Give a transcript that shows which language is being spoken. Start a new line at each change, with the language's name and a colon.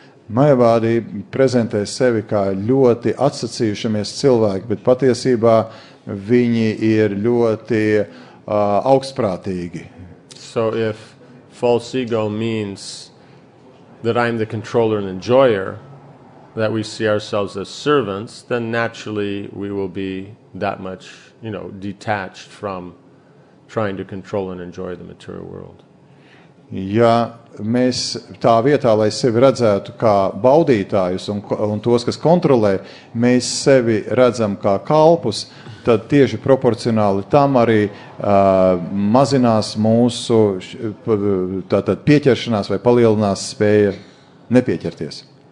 Latvian: Mayavadi prezentē sevi kā ļoti atsacījušamies cilvēki, bet patiesībā viņi ir ļoti augstprātīgi.
English: So if false ego means that I'm the controller and enjoyer, that we see ourselves as servants, then naturally we will be that much, you know, detached from trying to control and enjoy the material world.
Latvian: Ja mēs tā vietā, lai sevi redzētu kā baudītājus un tos, kas kontrolē, mēs sevi redzam kā kalpus, tad tieši proporcionāli tam arī mazinās mūsu tātad pieķeršanās vai palielinās spēja nepieķerties.